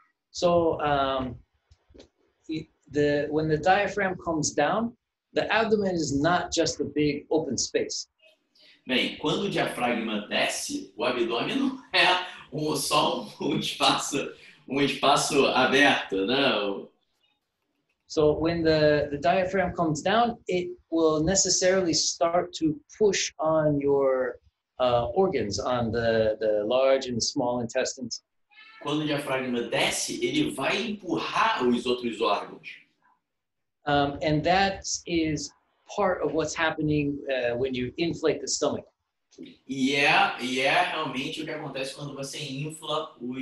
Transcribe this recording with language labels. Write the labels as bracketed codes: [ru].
[en] So, when the diaphragm comes down, the abdomen is not just a big open space. [pt] Bem, quando o diafragma desce, o abdômen não é só um espaço... um espaço aberto, não? [en] So when the diaphragm comes down, it will necessarily start to push on your organs, on the large and small intestines. [pt] Quando o diafragma desce, ele vai empurrar os outros órgãos. [en] And that is part of what's happening when you inflate the stomach. [pt] E é realmente o que acontece quando você infla